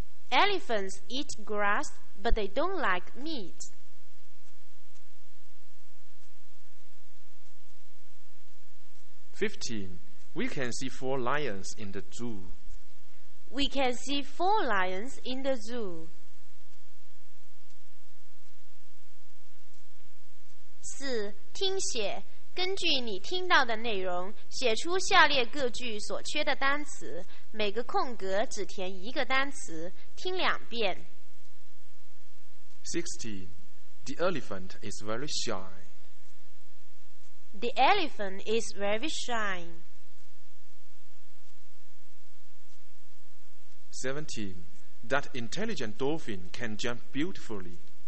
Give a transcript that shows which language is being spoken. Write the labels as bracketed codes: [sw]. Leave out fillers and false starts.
[en] Elephants eat grass, but they don't like meat. 15. We can see four lions in the zoo. We can see four lions in the zoo. [zh] 四，听写，根据你听到的内容，写出下列各句所缺的单词，每个空格只填一个单词，听两遍。 [en] 16. The elephant is very shy. The elephant is very shy. 17. That intelligent dolphin can jump beautifully.